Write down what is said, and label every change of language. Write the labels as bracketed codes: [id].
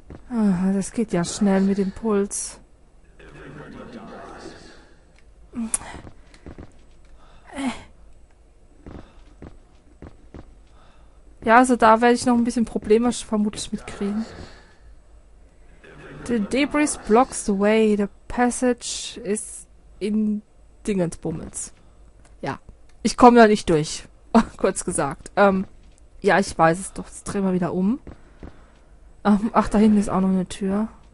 [de] Ah, das geht ja schnell mit dem Puls. Ja, also da werde ich noch ein bisschen Probleme vermutlich mitkriegen. [en] The debris blocks the way. The passage is in Dingensbummels. [de] Ja, ich komme da nicht durch. Kurz gesagt. Ja, ich weiß es doch. Jetzt drehen wir wieder um. Ach, da hinten ist auch noch eine Tür.